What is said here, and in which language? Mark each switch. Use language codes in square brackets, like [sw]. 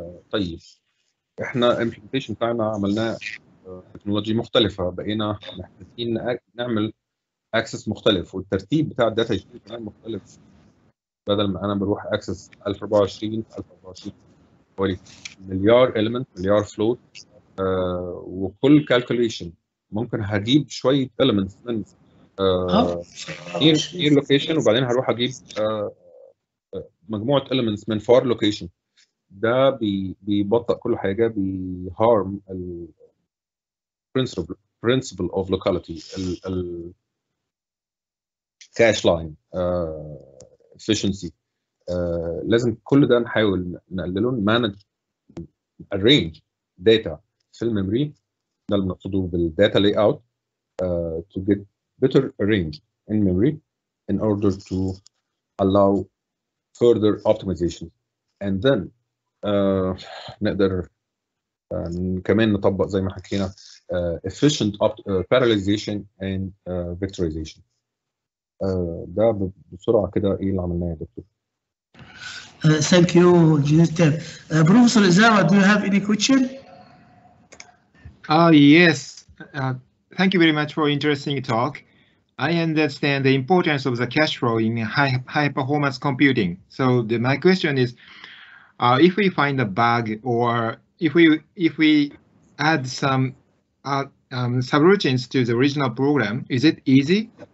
[ar] طيب احنا implementation بتاعنا عملناه تكنولوجي مختلفة بقينا محتاجين نعمل اكسس مختلف والترتيب بتاع الداتا يكون مختلف بدل ما انا بروح اكسس 1024 مليار element مليار float وكل calculation ممكن هجيب شوية elements من [en] near location [ar] وبعدين هروح اجيب مجموعة elements من [en] far location. [ar] ده بيبطئ كل حاجة بيهارم ال [en] principle of locality [ar] ال cache line efficiency. لازم كل ده نحاول نقلله [en] manage arrange data [ar] في الميموري ده اللي نقصده بالداتا لاي اوت [en] to get better arranged in memory in order to allow further optimization and then [ar] نقدر كمان نطبق زي ما حكينا [en] efficient parallelization and vectorization. [ar] ده بسرعة كده ايه اللي عملناه يا دكتور. [en] Thank you Jinitab. Professor Izawa, do you have any question? Yes. Thank you very much for interesting talk. I understand the importance of the cache flow in high performance computing. So my question is, if we find a bug or if we add some subroutines to the original program, is it easy?